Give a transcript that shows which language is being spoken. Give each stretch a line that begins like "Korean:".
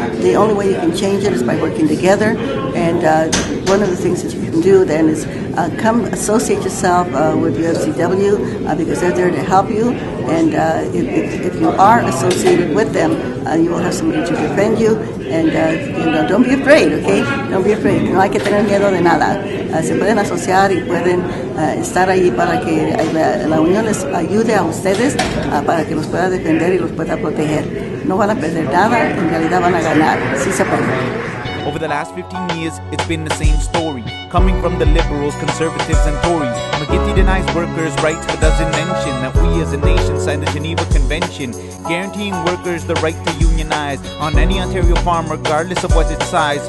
English: The only way you can change it is by working together, and one of the things that you can do then is come associate yourself with UFCW because they're there to help you, and if you are associated with them, you will have somebody to defend you, and don't be afraid, okay? Don't be afraid.
Spanish: No hay que tener miedo de nada. Se pueden asociar y pueden estar ahí para que la unión les ayude a ustedes para que los pueda defender y los pueda proteger. No van a perder nada, en realidad van a ganar. Sí se puede.
English: Over the last 15 years, it's been the same story. Coming from the liberals, conservatives, and Tories, McGinty denies workers' rights but doesn't mention that we as a nation signed the Geneva Convention, guaranteeing workers the right to unionize on any Ontario farm, regardless of what its size.